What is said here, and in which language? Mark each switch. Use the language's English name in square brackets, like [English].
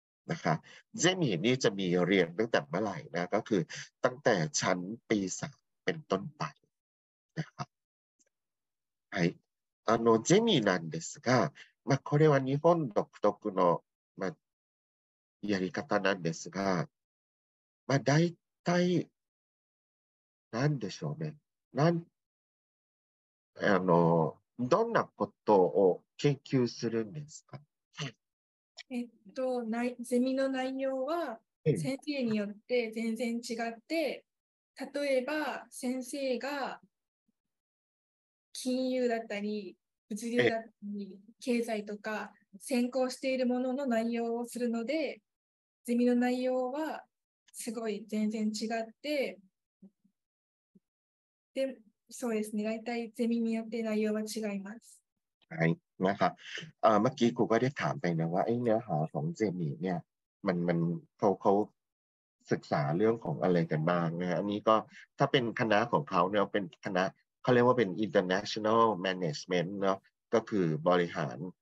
[Thai] นะคะเซมิเนี่ยจะมีเรียนตั้งแต่เมื่อไหร่นะก็คือตั้งแต่ชั้นปี3เป็นต้นไปนะครับ [Japanese] はいあのゼミなんですが、まあこれは日本独特のまあやり方なんですが、まあ大体なんでしょうね、なんあのどんなことを研究するんですか。ゼミの内容は先生によって全然違って、例えば先生が金融だったり。物流だったり経済とか専攻しているものの内容をするのでゼミの内容はすごい全然違ってでそうですね大体ゼミによって内容は違いますはいなんかあまきここで聞いたのはえねはそのゼミねまんまんこうこう [Thai] ศึกษาเรื่องของอะไรกันบ้างนะอันนี้ก็ถ้าเป็นคณะของเขาเนี่ยเป็นคณะเขาเรียกว่าเป็น international management เนาะก็คือบริหาร